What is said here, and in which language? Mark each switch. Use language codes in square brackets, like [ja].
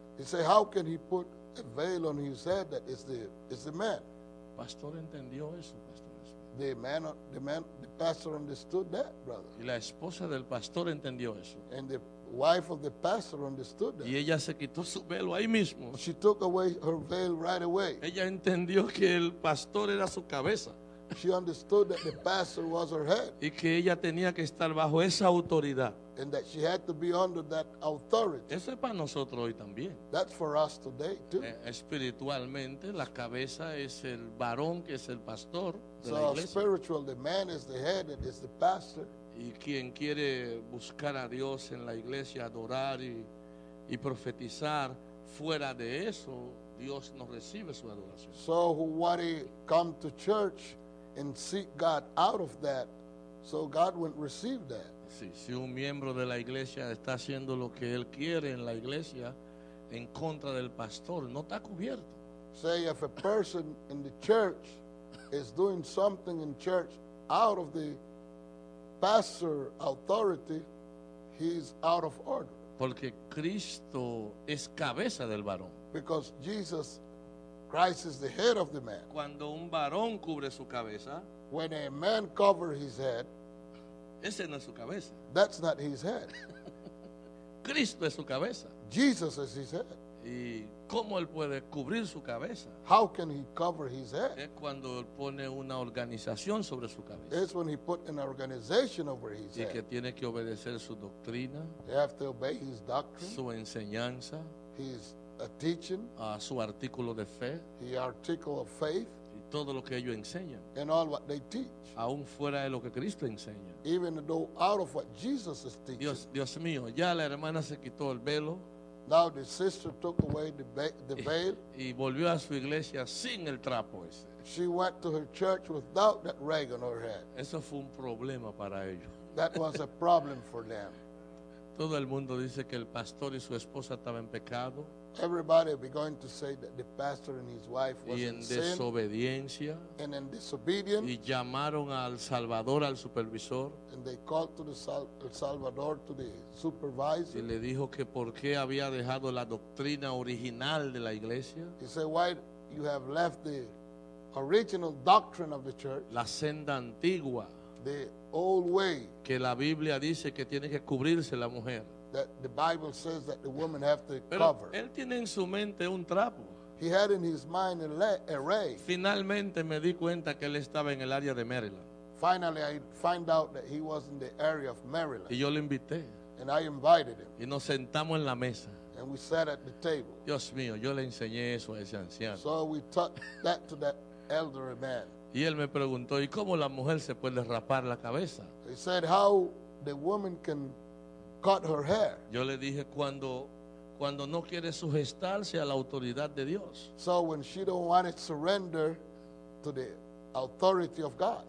[en] He said, how can he put a veil on his head that is the man? [es] Pastor entendió eso, Pastor. [en] The pastor understood that, brother. [es] Y la esposa del pastor entendió eso. [en] And the wife of the pastor understood that. [es] Y ella se quitó su velo ahí mismo. [en] She took away her veil right away. [es] Ella entendió que el pastor era su cabeza. [en] She understood that the pastor was her head. [es] Y que ella tenía que estar bajo esa autoridad. [en] And that she had to be under that authority. [es] Eso es para nosotros hoy también. [en] That's for us today too. [es] Espiritualmente, la cabeza es el varón, que es el pastor de la iglesia. [en] So spiritual, the man is the head, it is the pastor. [es] Y quien quiere buscar a Dios en la iglesia, adorar y profetizar, fuera de eso, Dios no recibe su adoración. [en] So who want to come to church and seek God out of that, so God won't receive that. [es] Sí, si un miembro de la iglesia está haciendo lo que él quiere en la iglesia, en contra del pastor, no está cubierto. [en] Say if a person in the church is doing something in church out of the pastor authority, he's out of order. [es] Porque Cristo es cabeza del varón. [en] Because Jesus Christ is the head of the man. [es] Cuando un varón cubre su cabeza, [en] when a man covers his head, [es] ese no es su cabeza. [en] That's not his head. [es] Cristo es su cabeza. [en] Jesus is his head. [es] ¿Y cómo él puede cubrir su cabeza? [en] How can he cover his head? [es] Es cuando él pone una organización sobre su cabeza. [en] It's when he put an organization over his head. [es] Y que tiene que obedecer su doctrina. [en] You have to obey his doctrine. [es] Su enseñanza. [en] His teaching. [es] Su artículo de fe. [en] His article of faith. [es] Y todo lo que ellos enseñan. [en] And all what they teach. [es] Aún fuera de lo que Cristo enseña. [en] Even though out of what Jesus is teaching. [es] Dios mío, ya la hermana se quitó el velo. [en] Now the sister took away the veil. [es] Y volvió a su iglesia sin el trapo ese. [en] She went to her church without that rag on her head. [es] Eso fue un problema para ellos. [en] That was a problem for them. [es] Todo el mundo dice que el pastor y su esposa estaban en pecado. [en] Everybody be going to say that the pastor and his wife was [es] y en desobediencia. [en] Sin, and in disobedience. [es] Y llamaron al Salvador, al supervisor. [en] And they called to the Salvador, to the supervisor. [es] Y le dijo que por qué había dejado la doctrina original de la iglesia. [en] He said, why you have left the original doctrine of the church. [es] La senda antigua. [en] The old way. [es] Que la Biblia dice que tiene que cubrirse la mujer. [en] That the Bible says that the woman have to [es] pero [en] cover. [es] Él tiene en su mente un trapo. [en] He had in his mind a ray. [es] Finalmente me di cuenta que él estaba en el área de Maryland. [en] Finally I find out that he was in the area of Maryland. [es] Y yo le invité. [en] And I invited him. [es] Y nos sentamos en la mesa. [en] And we sat at the table. [es] Dios mío, yo le enseñé eso a ese anciano. [en] So we taught that to that elderly man. [es] Y él me preguntó, ¿y cómo la mujer se puede rapar la cabeza? [en] He said, how the woman can cut her hair. [es] Yo le dije cuando no quiere sujetarse a la autoridad de Dios. [en] So when she don't want to surrender to the authority of God.